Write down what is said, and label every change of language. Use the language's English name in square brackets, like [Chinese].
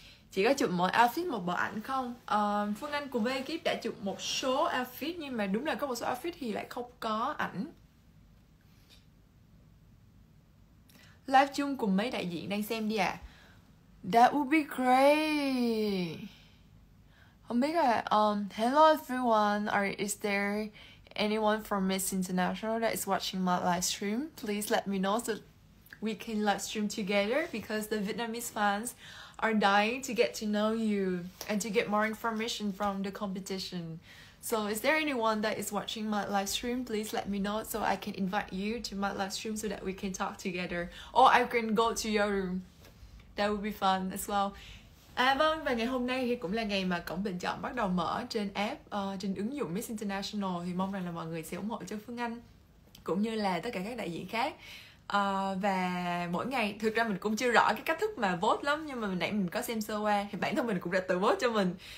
[Vietnamese] Chị có chụp mỗi outfit một bộ ảnh không? Phương Anh cùng với ekip đã chụp một số outfit, nhưng mà đúng là có một số outfit thì lại không có ảnh. Live chung cùng mấy đại diện đang xem đi ạ. [English] That would be great. [Vietnamese] Không biết là [English] hello everyone, or is there anyone from Miss International that is watching my live stream? Please let me know so we can live stream together because the Vietnamese fans are dying to get to know you and to get more information from the competition. So is there anyone that is watching my live stream? Please let me know so I can invite you to my live stream so that we can talk together. Or I can go to your room. That would be fun as well. [Vietnamese] À vâng, và ngày hôm nay thì cũng là ngày mà cổng bình chọn bắt đầu mở trên app, trên ứng dụng Miss International. Thì mong rằng là mọi người sẽ ủng hộ cho Phương Anh cũng như là tất cả các đại diện khác. Và mỗi ngày, thực ra mình cũng chưa rõ cái cách thức mà vote lắm, nhưng mà nãy mình có xem sơ qua thì bản thân mình cũng đã tự vote cho mình.